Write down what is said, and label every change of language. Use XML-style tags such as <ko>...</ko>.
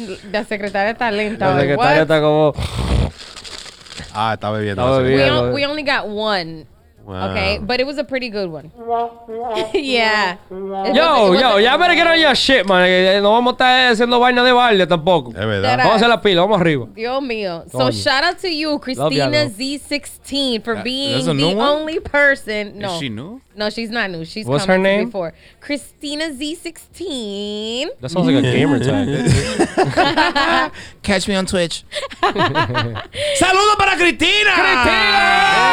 <es>La secretaria está lenta. La secretaria está como... Ah, está bebiendo.</es> <en>We only got one. Wow. Okay, but it was a pretty good one. Yeah. Yo, ya better get on your shit, man.</en> <es>No vamos a estar haciendo vaina de balde tampoco. Es verdad. Vamos a hacer la pila, vamos arriba. Dios mío.</es> <en>So, shout out to you, Christina Z16, for being the only person. No. Is she new? No, she's not new. She's what's her name? Before. Christina Z16. That sounds like a gamer tag. Catch me on Twitch.</en> <es>Saludo para Cristina.</es>